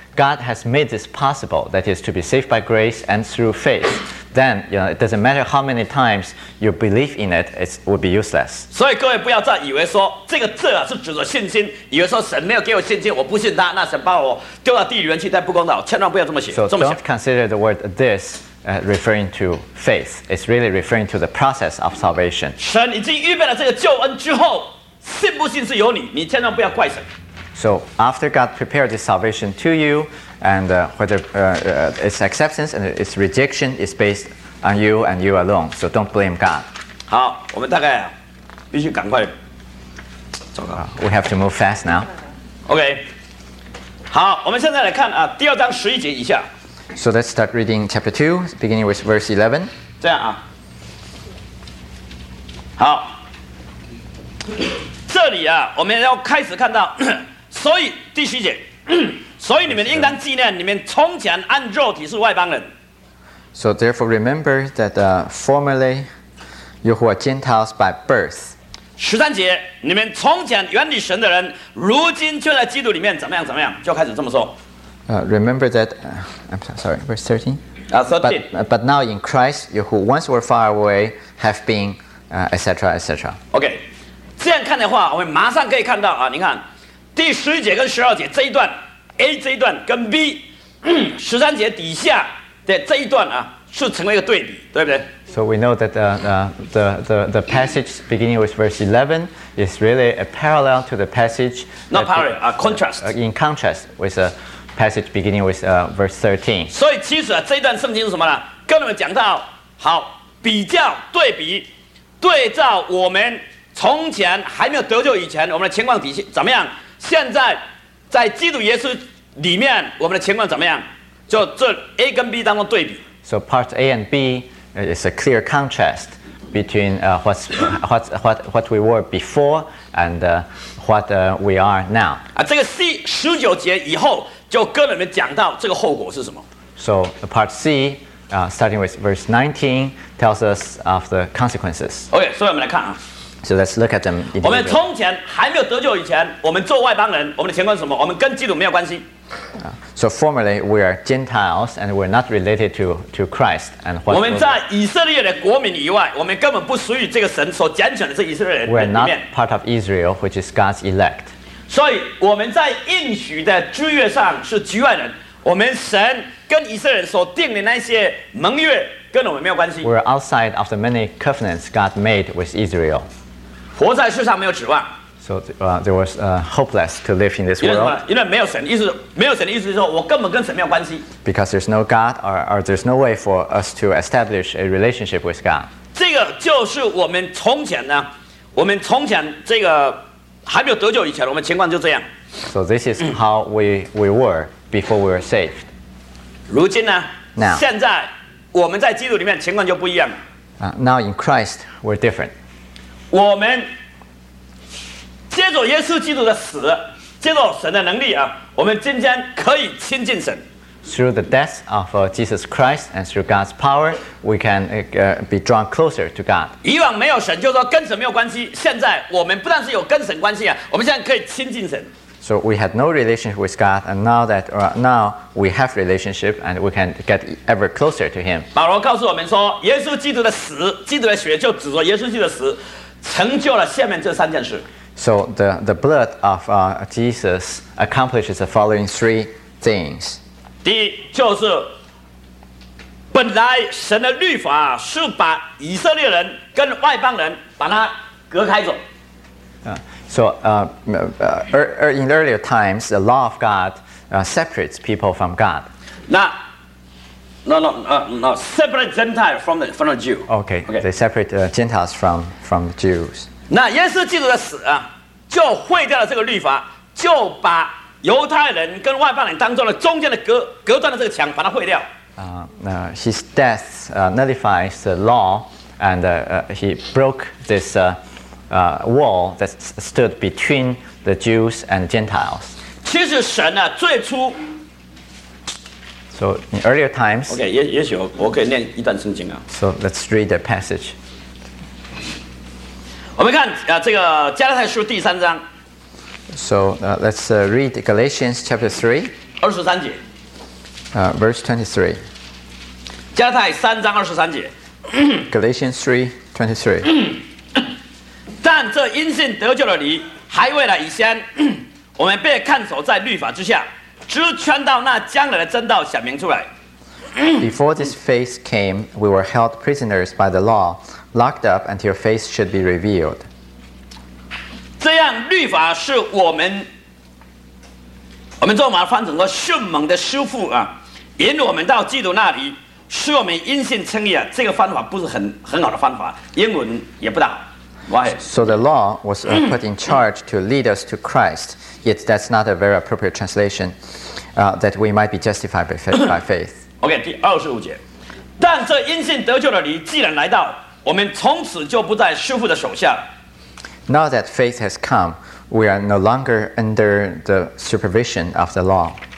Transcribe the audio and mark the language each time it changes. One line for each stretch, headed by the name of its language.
English: God has made this possible, that is, to be saved by grace and through faith, then, you know, it doesn't matter how many times you believe in it, it would be useless.
Chinese: 所以各位不要再以为说这个这啊是指着信心，以为说神没有给我信心，我不信他，那神把我丢到地狱里去，再不公道，千万不要这么写。
English: So don't consider the word this referring to faith. It's really referring to the process of salvation.
Chinese: 神已经预备了这个救恩之后，信不信是由你，你千万不要怪神。
English: So after God prepared this salvation to you, and whether its acceptance and its rejection is based on you and you alone, so don't blame God.
Chinese: 好，我们大概必须赶快走
English: 了。We have to move fast now. Okay.
Chinese: 好，我们现在来看第二章十一节以下。
English: So let's start reading chapter 2, beginning with verse 11.
Chinese: 这样啊。好，这里啊，我们要开始看到。所以第十节，所以你们应当纪念你们从前按肉体是外邦人。
English: So therefore remember that formerly you who are Gentiles by birth.
Chinese: 十三节，你们从前远离神的人，如今却在基督里面怎么样怎么样，就开始这么说。
English: Remember that verse 13. Thirteen. But now in Christ you who once were far away have been etc. etc.
Chinese: Okay, 这样看的话，我们马上可以看到啊，你看。第十节跟十二节这一段 ，A 这一段跟 B 十三节底下的这一段啊，是成为一个对比，对不对
English: ？So we know that the passage beginning with verse 11 is really a parallel to the passage. Not parallel, contrast. In contrast with a passage beginning with verse 13.
Chinese: 所以其实啊，这一段圣经是什么呢？跟你们讲到，好比较对比，对照我们从前还没有得救以前我们的情况底下怎么样？现在在基督耶稣里面我们的情况怎么样，就这 A 跟 B 当中对比。
English: So part A and B is a clear contrast between what we were before and what we are now.
Chinese: 这个 C 十九节以后就跟你们讲到这个后果是什么。
English: So part C, starting with verse 19, tells us of the consequences.
Chinese: Okay, 所以我们来看啊。
English: So let's look at them.
Chinese: 我们从前还没有得救以前，我们做外邦人，我们的情况是什么？我们跟基督没有关系。
English: So formerly we are Gentiles and we're not related to Christ. And what
Chinese: 我们在以色列的国民以外，我们根本不属于这个神所拣选的这以色列人里面。
English: We're not part of Israel, which is God's elect.
Chinese: 所以我们在应许的之约上是局外人。我们神跟以色列人所定的那些盟约跟我们没有关系。
English: We're outside of the many covenants God made with Israel.
Chinese: 活在世上没有指望
English: ，so there was hopeless to live in this world.
Chinese: 因为没有神，意思没有神的意思是说我根本跟神没有关系。
English: Because there's no God, or there's no way for us to establish a relationship with God.
Chinese: 这个就是我们从前呢，我们从前这个还没有得救以前，我们情况就这样。
English: So this is how we were before we were saved.
Chinese: 如今呢
English: ，now
Chinese: 现在我们在基督里面情况就不一样。
English: Now in Christ, we're different.
Chinese: 我们借着耶稣基督的死，借着神的能力啊，我们今天可以亲近神。
English: Through the death of Jesus Christ and through God's power, we can be drawn closer to God.
Chinese: 以往没有神，就说跟神没有关系。现在我们不但是有跟神关系啊，我们现在可以亲近神。
English: So we had no relationship with God, and now that now we have relationship, and we can get ever closer to Him.
Chinese: 保罗告诉我们说，耶稣基督的死，基督的血，就指着耶稣基督的死。成就了下面这三件事。
English: So the blood of Jesus accomplishes the following three things.
Chinese: 第一就是，本来神的律法是把以色列人跟外邦人把它隔开走。
English: In earlier times, the law of God separates people from God. No. Separate Gentile from the Jew. Okay. They separate Gentiles from Jews.
Chinese: 那耶稣基督的死啊，就毁掉了这个律法，就把犹太人跟外邦人当中的中间的隔断的这个墙，把它毁掉。
English: His death nullifies the law, and he broke this wall that stood between the Jews and Gentiles.
Chinese: 其实神呢、啊，最初。
English: So in earlier times,
Chinese: okay, 也许我可以念一段圣经啊。
English: So let's read the passage.
Chinese: 我们看啊，这个加拉太书第三章。
English: So let's read Galatians chapter 3,
Chinese: 23节。
English: verse 23.
Chinese: 加拉太三章二十三节。
English: Galatians 3:23.
Chinese: 但这因信得救的你，还未来以先，我们被看守在律法之下，只劝到那将来的真道显明出来。
English: Before this faith came, we were held prisoners by the law, locked up until faith should be revealed.
Chinese: 这样律法是我们咒马翻成个迅猛的师傅啊，引我们到基督那里，使我们因信称义啊。这个方法不是很好的方法，英文也不大。
English: Why? So the law was put in charge to lead us to Christ, yet that's not a very appropriate translation, that we might be justified by faith.
Chinese: OK, 第二十五节，但这因信得救的你既然来到，我们从此就不在师傅的手下。
English: Now that faith has come, we are no longer under the supervision of the law.